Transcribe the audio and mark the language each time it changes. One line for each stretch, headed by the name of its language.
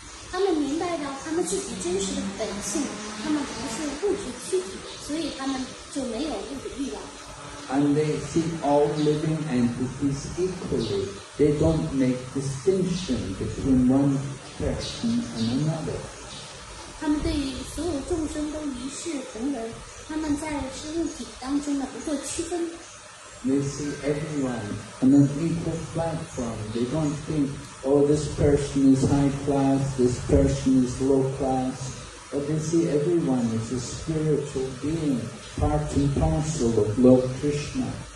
Chinese: 他们明白到他们自己真实的本性，他们不是物质躯体，所以他们就没有物质欲望。
English: And they see all living entities equally. They don't make distinction between one person and another.
Chinese: 他们对所有众生都一视同仁，他们在物体当中呢不做区分。
English: They see everyone on an equal platform. They don't think, oh, this person is high class, this person is low class. But they see everyone as a spiritual being, part and parcel of Lord Krishna.